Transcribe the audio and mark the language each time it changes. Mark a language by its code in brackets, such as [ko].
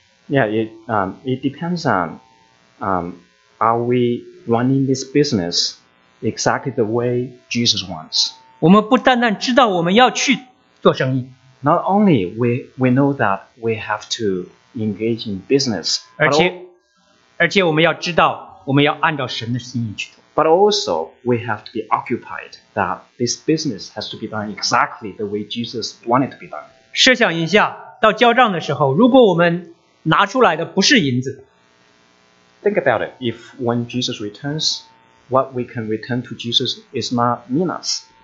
[en] It depends on are we running this business exactly the way Jesus wants? [zh] 我们不单单知道我们要去做生意, [en] not only we know that we have to engage in business, [zh] 而且我们要知道我们要按照神的心意去做, [en] but also we have to be occupied that this business has to be done exactly the way Jesus wanted to be done. [zh] 设想一下, 到交账的时候, 如果我们拿出来的不是银子, [en] think about it, if when Jesus returns, what we can return to Jesus is not minas,